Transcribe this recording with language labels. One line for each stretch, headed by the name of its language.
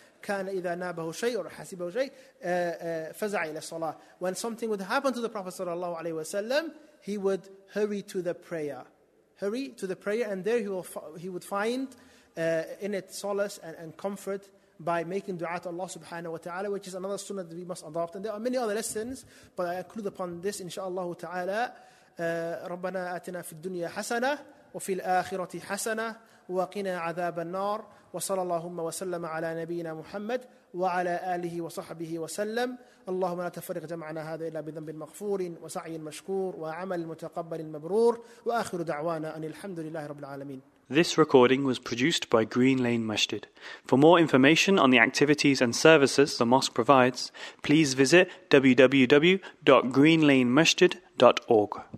Arabic: كان إذا نابه شيء أو حسبه شيء فزع إلى الصلاة.
English: When something would happen to the Prophet sallallahu alayhi wa sallam, he would hurry to the prayer. Hurry to the prayer, and there he would find in it solace and comfort by making dua to Allah subhanahu wa ta'ala, which is another sunnah that we must adopt. And there are many other lessons, but I include upon this inshaAllah ta'ala.
Arabic: ربنا آتنا في الدنيا حسنة وفي الآخرة حسنة وقنا عذاب النار وصلى اللهم وسلم على نبينا محمد وعلى آله وصحبه وسلم اللهم لا تفرق جمعنا هذا إلا بذنب مغفور وسعي مشكور وعمل متقبل مبرور وآخر دعوانا أن الحمد لله رب العالمين.
English: This recording was produced by Green Lane Masjid. For more information on the activities and services the mosque provides, please visit www.greenlanemasjid.org.